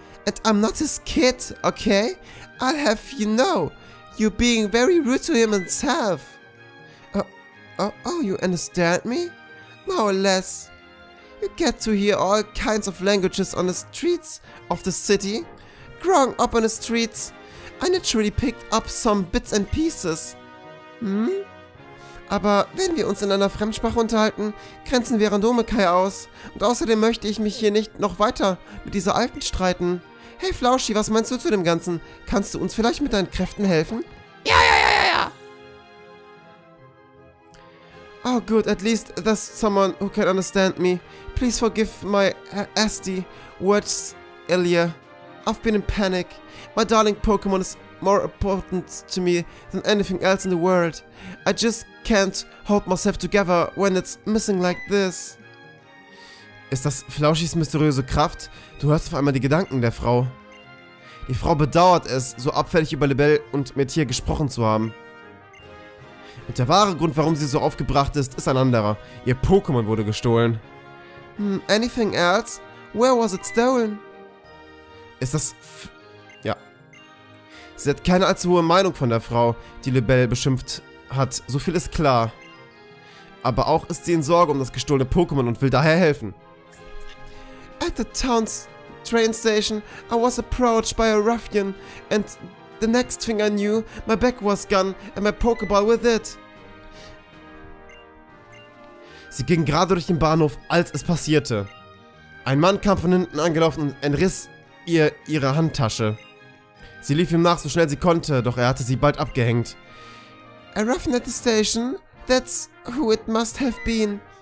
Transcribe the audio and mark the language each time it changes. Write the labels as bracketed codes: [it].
[en] And I'm not his kid, okay? I'll have you know, you're being very rude to him himself. You understand me? More or less. You get to hear all kinds of languages on the streets of the city. Growing up on the streets, I naturally picked up some bits and pieces. [de] Aber wenn wir uns in einer Fremdsprache unterhalten, grenzen wir Randome Kai aus. Und außerdem möchte ich mich hier nicht noch weiter mit dieser Alten streiten. Hey Flauschi, was meinst du zu dem Ganzen? Kannst du uns vielleicht mit deinen Kräften helfen? Ja! [en] Oh good, at least there's someone who can understand me. Please forgive my hasty words earlier. I've been in panic. My darling Pokémon is more important to me than anything else in the world. I just can't hold myself together when it's missing like this. [de] Ist das Flauschis mysteriöse Kraft? Du hörst auf einmal die Gedanken der Frau. Die Frau bedauert es, so abfällig über Lebel und Mathia gesprochen zu haben. Und der wahre Grund, warum sie so aufgebracht ist ein anderer. Ihr Pokémon wurde gestohlen. [en] Anything else? Where was it stolen? [de] Ist das... Ja. Sie hat keine allzu hohe Meinung von der Frau, die Lebel beschimpft hat. So viel ist klar. Aber auch ist sie in Sorge um das gestohlene Pokémon und will daher helfen. [en] At the town's train station, I was approached by a ruffian and the next thing I knew, my bag was gone and my Pokéball with it. [de] Sie ging gerade durch den Bahnhof, als es passierte. Ein Mann kam von hinten angelaufen und entriss ihr ihre Handtasche. Sie lief ihm nach, so schnell sie konnte, doch er hatte sie bald abgehängt. [en] A ruffian at the station? That's who it must have been.